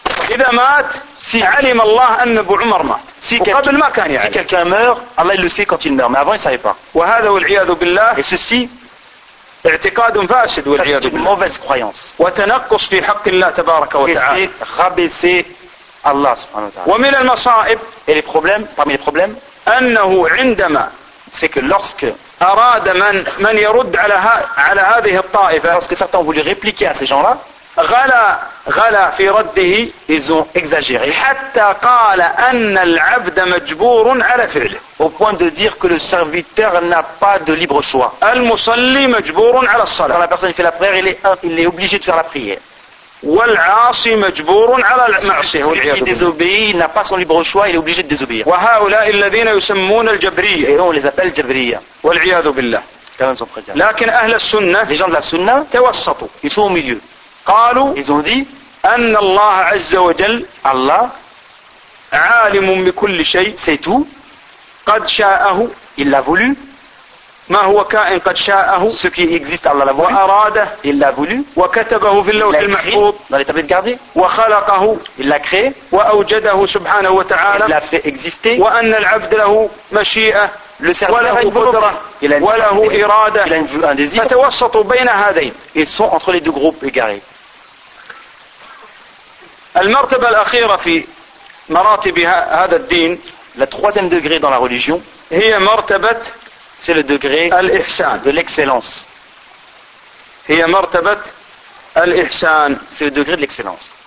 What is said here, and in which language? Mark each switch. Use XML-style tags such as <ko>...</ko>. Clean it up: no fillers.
<ar>إذا مات si علم الله أن أبو عمر مات</ar> <fr>si</fr> <ar>وقبل ما كان يعلم</ar> <fr>si quelqu'un meurt Allah il le sait quand il meurt mais avant il savait pas</fr> <ar>وهذا والعياذ بالله</ar> <fr>et ceci</fr> <ar>اعتقاد فاسد والعياذ بالله</ar> <fr>c'est une mauvaise croyance</fr> <ar>وتنقص في حق الله تبارك وتعالى</ar> <fr>et c'est rabaissé Allah</fr> <ar>سبحانه وتعالى ومن المصائب</ar> <fr>et les problèmes parmi les problèmes</fr> <ar>أنه عندما</ar> <fr>c'est que lorsque</fr> <ar>أراد من يرد على هذه الطائفة</ar> <fr>lorsque certains ont voulu répliquer à ces gens là</fr> <ar>غلا في رده</ar> <fr>ils ont exagéré</fr> <ar>حتى قال أن العبد مجبور على فعله</ar> <fr>au point de dire que le serviteur n'a pas de libre choix</fr> <ar>المصلي مجبور على الصلاة</ar> <fr>quand la personne fait la prière il est obligé de faire la prière</fr> <ar>والعاصي مجبور على المعصية</ar> <fr>celui qui désobéit n'a pas son libre choix il est obligé de désobéir</fr> <ar>وهؤلاء الذين يسمون الجبرية</ar> <fr>et on les appelle الجبرية</fr> <ar>والعياذ بالله لكن أهل السنة</ar> <fr>les gens de la سنة</fr> <ar>توسطوا</ar> <fr>ils sont au milieu</fr> <ar>قالوا</ar> <fr>ils ont dit</fr> <ar>أن الله عز وجل الله عالم بكل شيء</ar> <fr>c'est tout</fr> <ar>قد شاءه</ar> <fr>il l'a voulu</fr> <ar>ما هو كائن قد شاءه</ar> <fr>ce qui existe Allah l'a voulu</fr> <ar>وأراده</ar> <fr>il l'a voulu</fr> <ar>وكتبه في اللوح المحفوظ</ar> <fr>dans les tablettes gardées</fr> <ar>وخلقه</ar> <fr>il l'a créé</fr> <ar>وأوجده سبحانه وتعالى</ar> <fr>il l'a fait exister</fr> <ar>وأن العبد له مشيئة</ar> <fr>le serviteur a une volonté</fr> <ar>وله إرادة</ar> <fr>il a un désir</fr> <ar>فتوسط بين هذين</ar> <fr>ils sont entre les deux groupes égarés</fr> <ar>المرتبة الأخيرة في مراتب هذا الدين</ar> <fr>la troisième degré dans la religion</fr> <ar>هي مرتبة</ar> <fr>c'est le degré</fr> <ar>الإحسان.</ar> <fr>De l'excellence</fr> <ar>هي مرتبة الإحسان</ar> <fr>c'est le degré de l'excellence</fr>